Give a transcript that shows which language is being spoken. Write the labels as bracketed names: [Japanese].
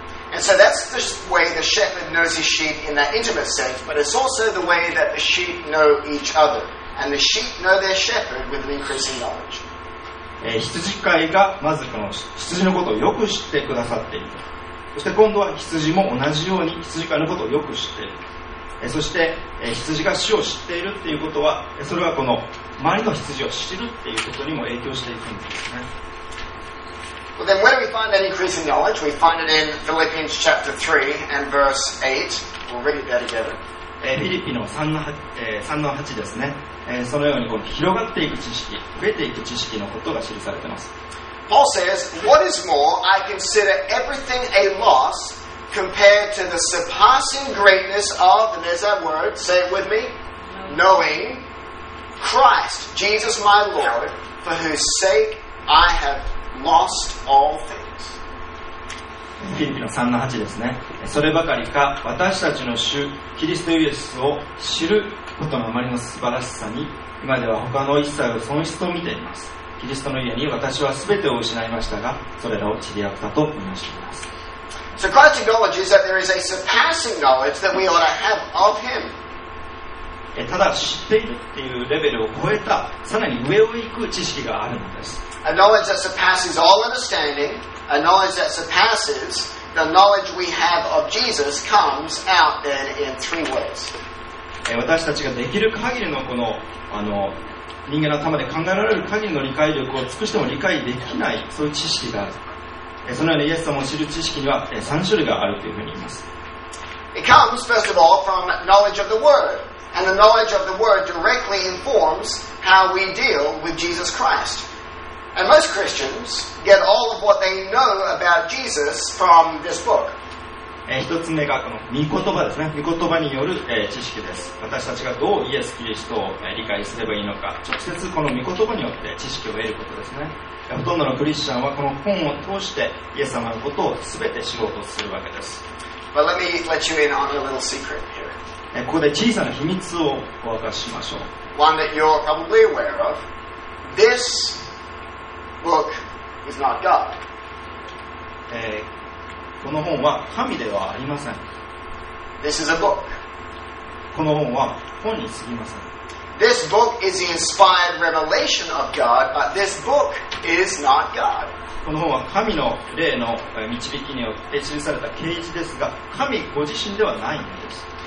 [English] And so that's the way the shepherd knows his sheep in that intimate sense, but it's also the way that the sheep know each other. And the sheep know their shepherd with an increasing knowledge. [Japanese] 羊飼いがまずこの羊のことをよく知ってくださっている。そして今度は羊も同じように羊飼いのことをよく知っている。そして羊が主を知っているっていうことは、それはこの周りの羊を知るっていうことにも影響していくんですね。 [English] Well, then where do we find that increase in knowledge? We find it in Philippians chapter 3 and verse 8. We'll read it there together. [Japanese] フィリピの3の8ですね。そのようにこの広がっていく知識、増えていく知識のことが記されています。 [English] Paul says, What is more, I consider everything a loss compared to the surpassing greatness of, and there's that word, say it with me, knowing Christ, Jesus my Lord, for whose sake I haveLost all things. [Japanese] フィリピの 3-8 ですね。そればかりか、私たちの主キリストイエスを知ることのあまりの素晴らしさに、今では他の一切を損失と見ています。キリストの家に私は全てを失いましたが、それらを知り合ったと申しています。 [English] So Christ acknowledges that there is a surpassing knowledge that we ought to have of him. [Japanese] ただ知っているっていうレベルを超えた、さらに上を行く知識があるのです。 [English] A knowledge that surpasses all understanding, a knowledge that surpasses the knowledge we have of Jesus comes out then in three ways. [Japanese] 私たちができる限りのこの、あの、人間の頭で考えられる限りの理解力を尽くしても理解できない、そういう知識がある。そのようにイエス様を知る知識には3種類があるというふうに言います。 [English] It comes, first of all, from knowledge of the Word. And the knowledge of the Word directly informs how we deal with Jesus Christ. And most Christians get all of what they know about Jesus from this book. [Japanese] 1つ目がこの御言葉ですね。御言葉による知識です。私たちがどうイエス・キリストを理解すればいいのか、直接この御言葉によって知識を得ることですね。ほとんどのクリスチャンはこの本を通してイエス様のことを全て知ろうとするわけです。 [English] But let me let you in on a little secret here. [Japanese] ここで小さな秘密をお明かししましょう。 [English] One that you're probably aware of. This book is not God. [Japanese] この本は神ではありません。 [English] This is a book. [Japanese] この本は本にすぎません。 [English] This book is the inspired revelation of God, but this book is not God. [Japanese] この本は神の霊の導きによって記された啓示ですが、神ご自身ではないんです。